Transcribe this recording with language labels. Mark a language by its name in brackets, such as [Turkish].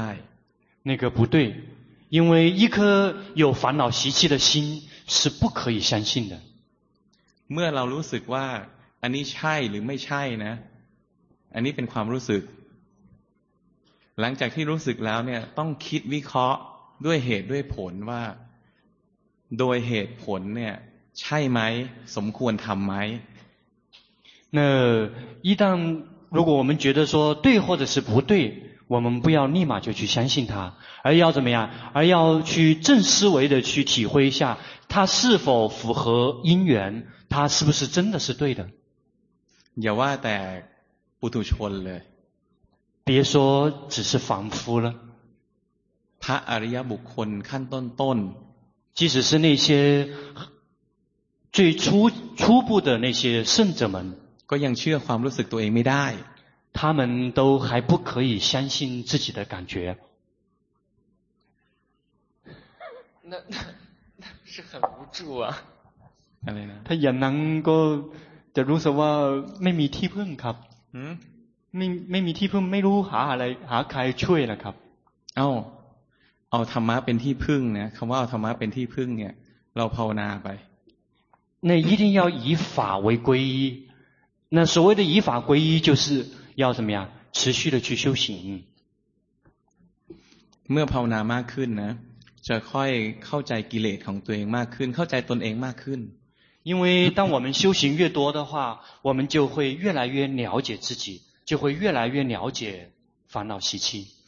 [Chinese] 那个不对因为一颗有烦恼习气的心是不可以相信的 [Thai] เมื่อเรารู้สึกว่าอันนี้ใช่หรือไม่ใช่นะอันนี้เป็นความรู้สึกหลังจากที่รู้สึกแล้วเนี่ยต้องคิดวิเคราะห์ด้วยเหตุด้วยผลว่าโดยเหตุผลเนี่ยใช่ไหมสมควรทำไหม [Chinese] 那一旦如果我们觉得说对或者是不对我们不要立马就去相信它而要怎么样而要去正思维的去体会一下它是否符合因缘它是不是真的是对的 [Thai] อย่าว่าแต่ปุถุชนเลย [Chinese] 别说只是凡夫了 [Thai] พระอริยบุคคลขั้นต้น [Chinese] ๆ即使是那些最初步的那些圣者们 [Thai] ก็ยังเชื่อความรู้สึกตัวเองไม่ได้ [Chinese] 他们都还不可以相信自己的感觉那是很无助啊 [Thai] อะไรนะ [Chinese] 他 [Thai] ยังนั่งก็จะรู้สึกว่าไม่มีที่พึ่งครับไม่มีที่พึ่งไม่รู้หาอะไรหาใครช่วยนะครับ เอ้าเอาธรรมะเป็นที่พึ่งนะคำว่าเอาธรรมะเป็นที่พึ่งเนี่ยเราภาวนาไป [Chinese] 那一定要以法为皈依那所谓的以法皈依就是要怎么样持续的去修行 [Thai] เมื่อภาวนามากขึ้นนะจะค่อยเข้าใจกิเลสของตัวเองมากขึ้นเข้าใจตนเองมากขึ้น [Chinese] 因为当我们修行越多的话我们就会越来越了解自己就会越来越了解烦恼习气